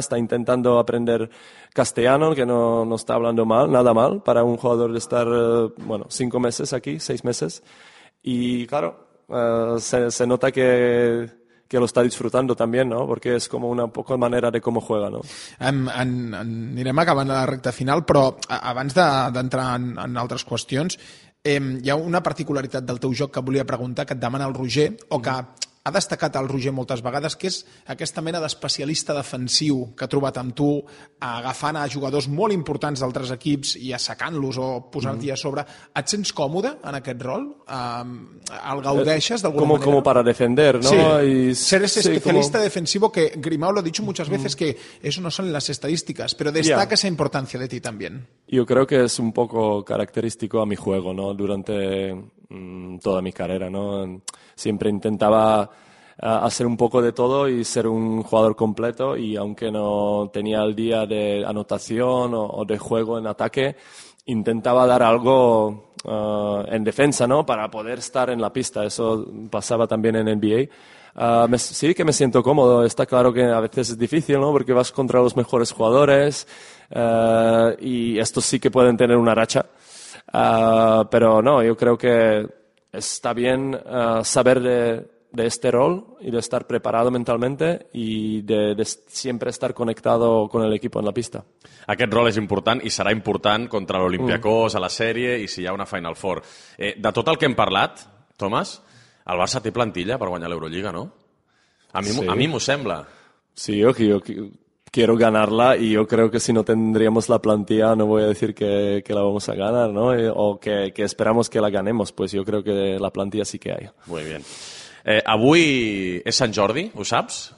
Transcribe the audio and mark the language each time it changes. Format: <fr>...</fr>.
<es>Está intentando aprender castellano, que no está hablando mal, nada mal, para un jugador de estar, bueno, 5 meses aquí, 6 meses. Y claro, se nota que lo está disfrutando también, ¿no? Porque es como una poco manera de cómo juega, ¿no?</es> <ca>Anirem acabant la recta final, però abans d'entrar en altres qüestions, hi ha una particularitat del teu joc que volia preguntar, que et demana el Roger, o que ha destacat el Roger moltes vegades, que és aquesta mena d'especialista defensiu que ha trobat amb tu, agafant a jugadors molt importants d'altres equips i assecant-los o posant-hi a sobre. Et sents còmode en aquest rol? El gaudeixes d'alguna manera?</ca> <es>Como para defender, ¿no? Sí. Ser especialista defensivo, que Grimau lo ha dicho muchas veces, que eso no son las estadísticas, pero destaca esa importancia de ti también. Yo creo que es un poco característico a mi juego, ¿no? Durante toda mi carrera, ¿no? Siempre intentaba hacer un poco de todo y ser un jugador completo, y aunque no tenía el día de anotación o de juego en ataque, intentaba dar algo en defensa, ¿no? Para poder estar en la pista. Eso pasaba también en NBA. Sí, que me siento cómodo. Está claro que a veces es difícil, ¿no? Porque vas contra los mejores jugadores y estos sí que pueden tener una racha. Pero no, yo creo que está bien saber de este rol y de estar preparado mentalmente y de siempre estar conectado con el equipo en la pista.</es> <ca>Aquest rol és important i serà important contra l'Olympiacos, a la sèrie i si hi ha una Final Four. De tot el que hem parlat, Tomàs, el Barça té plantilla per guanyar l'Eurolliga, no? A mi m'ho sembla.</ca> <es>Sí, jo quiero ganarla y yo creo que si no tendríamos la plantilla no voy a decir que la vamos a ganar, ¿no? O que esperamos que la ganemos, pues yo creo que la plantilla sí que hay. Muy bien.</es> <ca>Avui és Sant Jordi, ho saps?</ca>